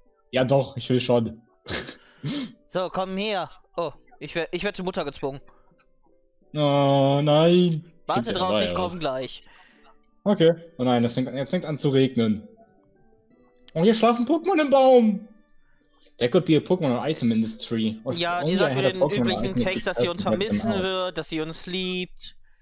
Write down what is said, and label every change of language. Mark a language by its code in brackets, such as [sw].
[de] Ja doch, ich will schon. So, komm her. Oh, ich werd zur Mutter gezwungen. Oh, nein. Warte drauf, ich komm gleich. Okay. Oh nein, jetzt fängt an zu regnen. Oh, hier schlafen Pokémon im Baum. [en] That could be a Pokémon item in this tree. [de] Oh, ja, die sagt mir den üblichen Text, dass sie uns vermissen wird, dass sie uns liebt.